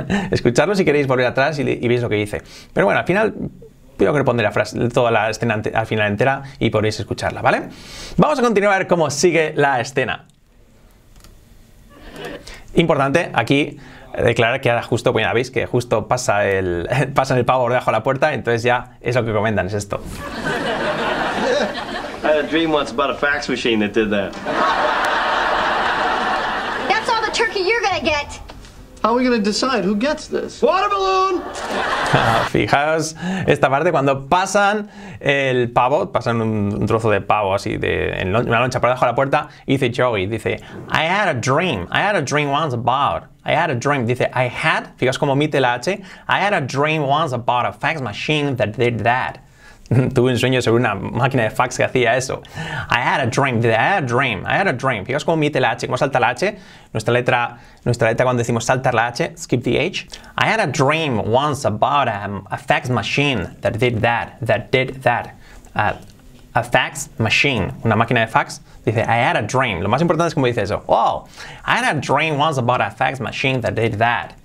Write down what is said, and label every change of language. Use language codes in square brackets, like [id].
[es] Escuchadlo si queréis volver atrás y veis lo que dice. Pero bueno, al final, yo creo que pondré la frase, toda la escena al final entera y podréis escucharla, ¿vale? Vamos a continuar a ver cómo sigue la escena. Importante aquí declarar que ahora justo, bueno, veis que justo pasa el pavo por debajo de la puerta, entonces ya es lo que comentan, es esto. [en] I had a dream once about a fax machine that did that. That's all the turkey you're gonna get. How are we gonna decide who gets this? Water balloon. [es] Fijaos esta parte cuando pasan el pavo, pasan un trozo de pavo así en una loncha por debajo de la puerta, y dice Joey, dice, [en] I had a dream once about, [es] I had a dream, dice, I had, fijaos cómo omite la H, [en] I had a dream once about a fax machine that did that. [es] Tuve un sueño sobre una máquina de fax que hacía eso. [en] I had a dream, [es] dice, I had a dream, I had a dream. Fijaos cómo omite la H, cómo salta la H. Nuestra letra cuando decimos saltar la H, [en] skip the H. I had a dream once about a fax machine that did that, that did that. A fax machine, [es] una máquina de fax. [en] Dice, I had a dream. [es] Lo más importante es cómo dice eso. [en] Wow, I had a dream once about a fax machine that did that.